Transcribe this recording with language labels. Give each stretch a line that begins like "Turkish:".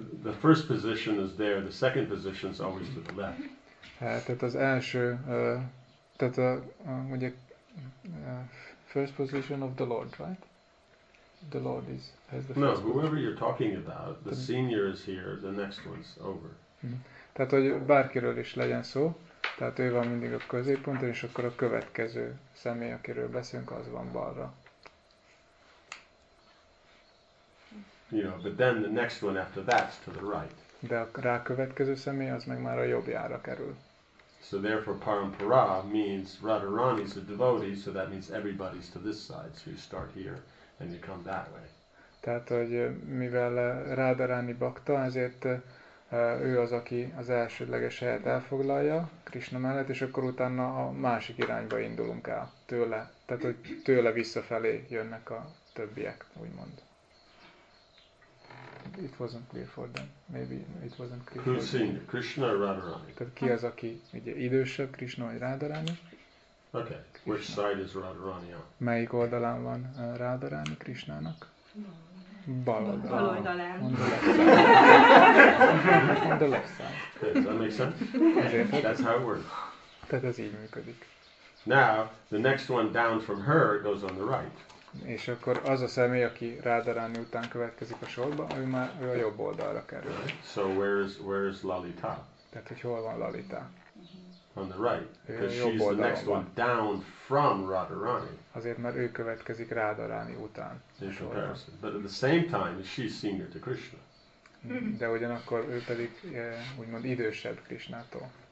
English: The first position is there, the second position is always to the left.
Hungarian: Tehát az első, tehát mondjuk
English: first position of the Lord, right? The Lord is has the first. No, whoever you're talking about, the senior is here, the next one's over.
Hungarian: Tehát hogy bárkiről is legyen szó, tehát ő van mindig a középponton, és akkor a következő személy, akiről beszélünk, az van balra.
English: You know, but then the next one after that's to the right.
Hungarian: De a rá következő személy az meg már a jobbjára kerül.
English: So therefore parampara means Radharani is a devotee, so that means everybody's to this side, so you start here and you come that way.
Hungarian: Tehát, hogy mivel Radharani bhakta, ezért ő az, aki az elsődleges helyet elfoglalja Krishna mellett, és akkor utána a másik irányba indulunk el tőle. Tehát, hogy tőle visszafelé jönnek a többiek, úgymond.
English: It wasn't clear for them. Maybe it wasn't clear. Who's senior, Krishna or Radharani?
Hungarian: Tehát ki az, aki ugye idősebb, Krishna vagy Radharani?
English: Okay. Krishna. Which side is Radharani on?
Hungarian: Melyik oldalán van Radharani Krishnának? Bal oldalán. Bal oldalán.
English: On the left side. On the left side. Okay, does that make sense? That's how it works.
Hungarian: Tehát ez így működik.
English: Okay. Now, the next one down from her goes on the right.
Hungarian: És akkor az a személy, aki Rádaráni után következik a sorba, ő már a jobb oldalra kerül.
English: Right. So where is Lalita?
Hungarian: Tehát, hogy hol van Lalita?
English: On the right, because she's the next one down from Radharani.
Hungarian: Azért, mert ő következik Rádaráni után.
English: In comparison. But at the same time, she's senior to Krishna.
Hungarian: De ugyanakkor ő pedig úgymond idősebb Krishnától.